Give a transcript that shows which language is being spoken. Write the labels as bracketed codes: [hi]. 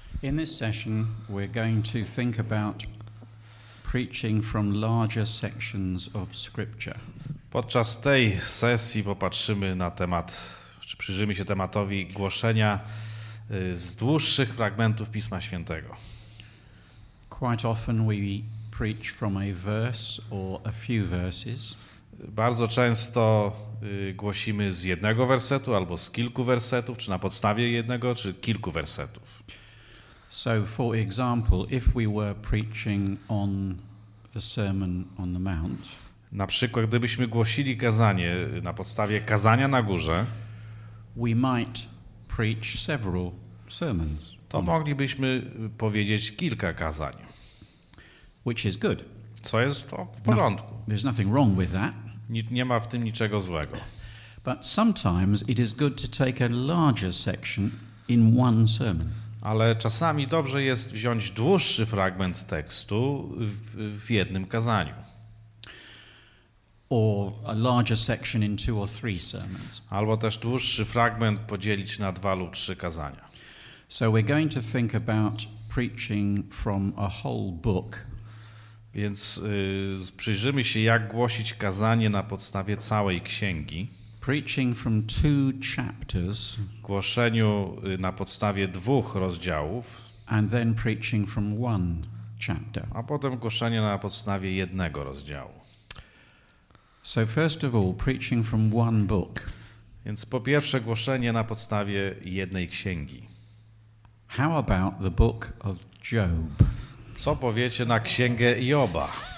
[en] In this session, we're going to think about preaching from larger sections of Scripture. [pl] Podczas tej sesji popatrzymy na temat, czy przyjrzymy się tematowi głoszenia z dłuższych fragmentów Pisma Świętego. [en] Quite often we preach from a verse or a few verses. [pl] Bardzo często głosimy z jednego wersetu albo z kilku wersetów, czy na podstawie jednego, czy kilku wersetów. [en] So for example, if we were preaching on the Sermon on the Mount, [pl] na przykład gdybyśmy głosili kazanie na podstawie kazania na górze, [en] we might preach several sermons. [pl] To moglibyśmy powiedzieć kilka kazań. [en] Which is good. [pl] Co jest w porządku. [en] There's nothing wrong with that. [pl] Nie ma w tym niczego złego. [en] But sometimes it is good to take a larger section in one sermon. [pl] Ale czasami dobrze jest wziąć dłuższy fragment tekstu w jednym kazaniu. [en] Or a larger section in two or three sermons. [pl] Albo też dłuższy fragment podzielić na dwa lub trzy kazania. [en] So we're going to think about preaching from a whole book. [pl] Więc przyjrzymy się, jak głosić kazanie na podstawie całej księgi. [en] Preaching from two chapters. [pl] Głoszeniu na podstawie dwóch rozdziałów. [en] And then preaching from one chapter. [pl] A potem głoszenie na podstawie jednego rozdziału. [en] So first of all, preaching from one book. [pl] Więc po pierwsze głoszenie na podstawie jednej księgi. [en] How about the book of Job? [pl] Co powiecie na księgę Joba?